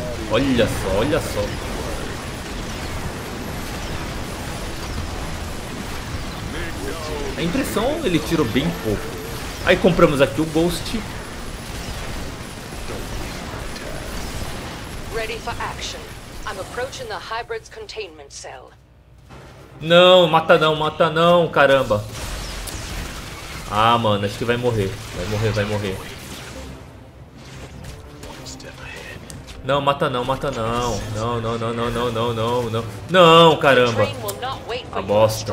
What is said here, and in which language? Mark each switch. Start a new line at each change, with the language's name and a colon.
Portuguese: Olha só, olha só. A impressão, ele tirou bem pouco. Aí compramos aqui o Ghost.
English: Ready for action. I'm approaching the hybrid's containment cell.
Portuguese: Não, mata não, mata não, caramba. Ah, mano, acho que vai morrer. Vai morrer, vai morrer. Não, mata não, mata não. Não, não, não, não, não, não, não, não. Não, caramba. A bosta.